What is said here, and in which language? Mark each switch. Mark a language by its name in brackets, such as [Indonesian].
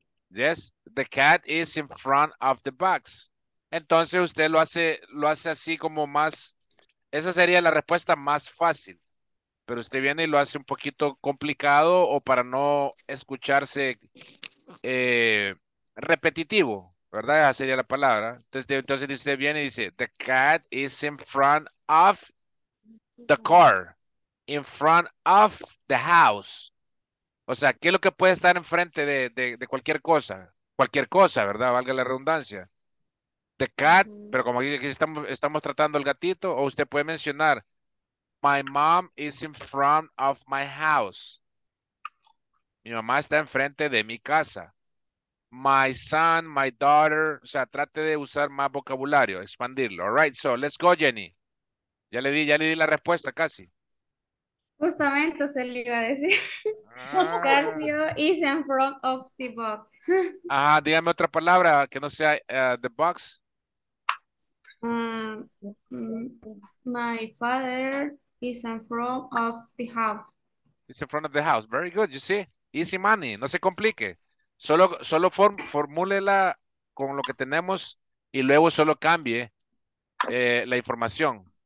[English] Yes, the cat is in front of the box. [Spanish] Entonces usted lo hace así como más, esa sería la respuesta más fácil. Pero usted viene y lo hace un poquito complicado o para no escucharse repetitivo, ¿verdad? Esa sería la palabra. Entonces usted viene y dice, [English] the cat is in front of the car, in front of the house. [Spanish] O sea, ¿qué es lo que puede estar enfrente de cualquier cosa? Cualquier cosa, ¿verdad? Valga la redundancia. [English] The cat, [Spanish] pero como aquí estamos tratando el gatito, o usted puede mencionar, [English] my mom is in front of my house. [Spanish] Mi mamá está enfrente de mi casa. [English] My son, my daughter, [Spanish] o sea, trate de usar más vocabulario, expandirlo. [English] All right, so let's go, Jenny. [Spanish] Ya le di la respuesta casi. Justamente se le iba a decir. [English] Garfio is in front of the box. [Spanish] Ajá, dígame otra palabra que no sea [English] the box. My father is in front of the house. He's in front of the house. Very good. You see? Easy money. [Spanish] No se complique. Solo formúlela con lo que tenemos y luego solo cambie la información.